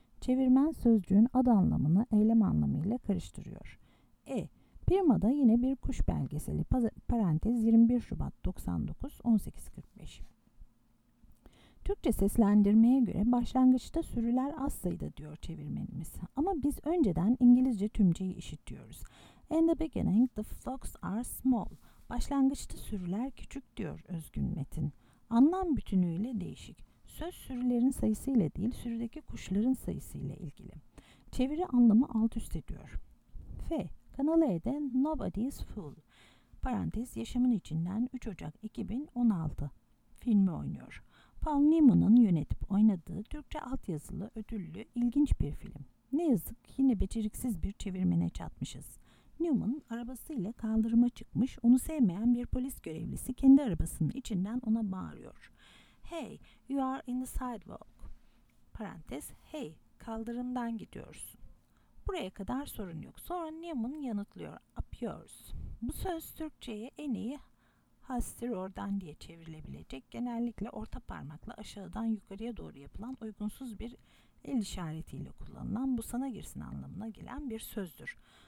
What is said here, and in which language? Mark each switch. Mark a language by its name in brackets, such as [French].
[Turkish] Çevirmen sözcüğün ad anlamını eylem anlamıyla karıştırıyor. E. Prima'da yine bir kuş belgeseli, parantez 21 Şubat 99, 18.45. Türkçe seslendirmeye göre başlangıçta sürüler az sayıda diyor çevirmenimiz. Ama biz önceden İngilizce tümceyi işitiyoruz. [English] In the beginning the flocks are small. [Turkish] Başlangıçta sürüler küçük diyor özgün metin. Anlam bütünüyle değişik. Söz sürülerin sayısıyla değil, sürüdeki kuşların sayısıyla ilgili. Çeviri anlamı alt üst ediyor. F. Kanal E'de Nobody's Fool, parantez yaşamın içinden 3 Ocak 2016 filmi oynuyor. Paul Newman'ın yönetip oynadığı Türkçe altyazılı ödüllü ilginç bir film. Ne yazık yine beceriksiz bir çevirmene çatmışız. Newman arabasıyla kaldırıma çıkmış, onu sevmeyen bir polis görevlisi kendi arabasının içinden ona bağırıyor. [English] Hey, you are in the sidewalk. [Turkish] Parantez, hey, kaldırımdan gidiyorsun. Buraya kadar sorun yok. Sonra Newman yanıtlıyor. [English] Up yours. [Turkish] Bu söz Türkçe'ye en iyi hastir oradan diye çevrilebilecek. Genellikle orta parmakla aşağıdan yukarıya doğru yapılan uygunsuz bir el işaretiyle kullanılan bu sana girsin anlamına gelen bir sözdür.